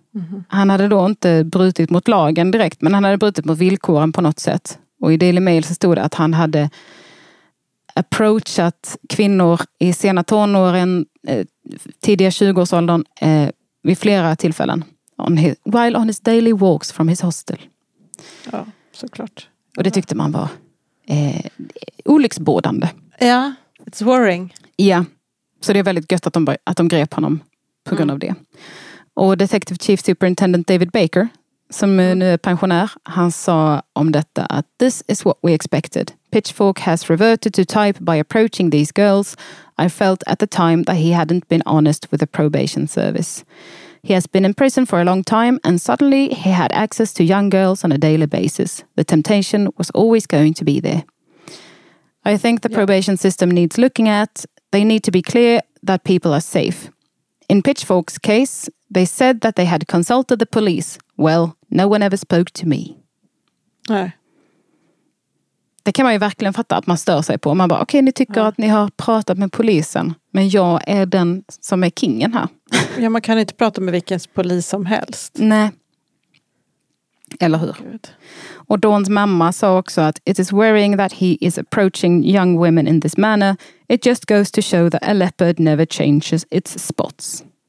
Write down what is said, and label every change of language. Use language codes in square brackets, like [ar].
[sv] Mm. Han hade då inte brutit mot lagen direkt, men han hade brutit mot villkoren på något sätt. Och i Daily Mail så stod det att han hade approachat kvinnor i sena tonåren, tidiga 20-årsåldern, vid flera tillfällen. [en] While on his daily walks from his hostel. [sv] Ja, såklart. Och det tyckte man var olycksbådande. [en] Ja, yeah, it's worrying. [sv] Ja, yeah. Så det är väldigt gött att de grep honom på grund av det. Och Detective Chief Superintendent David Baker, som nu är pensionär, han sa om detta att [en] "This is what we expected. Pitchfork has reverted to type by approaching these girls. I felt at the time that he hadn't been honest with the probation service. He has been in prison for a long time and suddenly he had access to young girls on a daily basis. The temptation was always going to be there. I think the probation system needs looking at. They need to be clear that people are safe. In Pitchfork's case, they said that they had consulted the police. Well, no one ever spoke to me. [sv] Nej. Det kan man ju verkligen fatta att man stör sig på. Man bara, okej, ni tycker att ni har pratat med polisen. Men jag är den som är kingen här. Ja, man kan inte prata med vilken polis som helst. Nej. Eller hur? Gud. Och Dawns mamma sa också att [en] it is worrying that he is approaching young women in this manner. It just goes to show that a leopard never changes its spots.